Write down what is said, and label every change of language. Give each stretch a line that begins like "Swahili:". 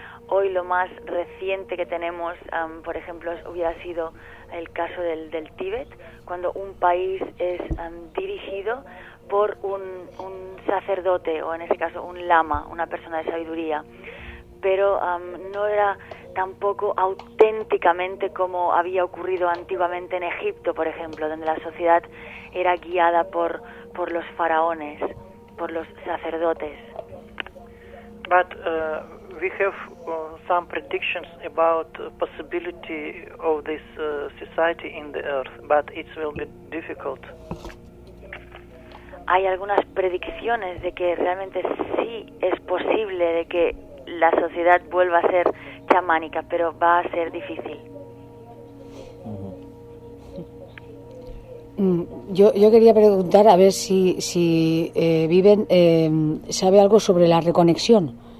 Spanish: Hoy lo más reciente que tenemos, por ejemplo, hubiera sido el caso del Tíbet, cuando un país es dirigido por un sacerdote, o en ese caso un lama, una persona de sabiduría. Pero no era tampoco auténticamente como había ocurrido antiguamente en Egipto, por ejemplo, donde la sociedad era guiada por los faraones, por los sacerdotes.
English: But we have some predictions about possibility of this society in the earth, but it will be difficult.
Spanish: Hay algunas predicciones de que realmente sí es posible de que la sociedad vuelva a ser chamánica, pero va a ser difícil. Yo quería preguntar a ver si Viven sabe algo sobre la reconexión.